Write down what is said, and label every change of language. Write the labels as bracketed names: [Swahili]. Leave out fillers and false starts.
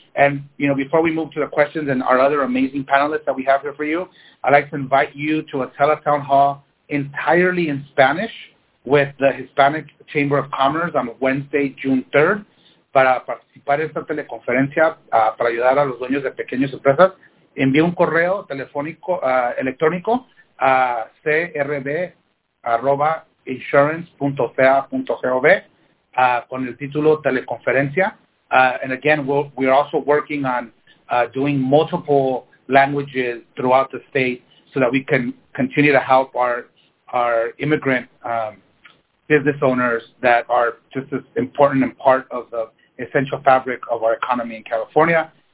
[English] And, you know, before we move to the questions and our other amazing panelists that we have here for you, I'd like to invite you to a teletown hall entirely in Spanish with the Hispanic Chamber of Commerce on Wednesday, June 3rd, [Spanish] para participar en esta teleconferencia para ayudar a los dueños de pequeñas empresas. Envíe un correo telefónico electrónico a crb@insurance.ca.gov con el título teleconferencia. [English] And again, we're also working on doing multiple languages throughout the state so that we can continue to help our immigrant business owners that are just as important and part of the essential fabric of our economy in California.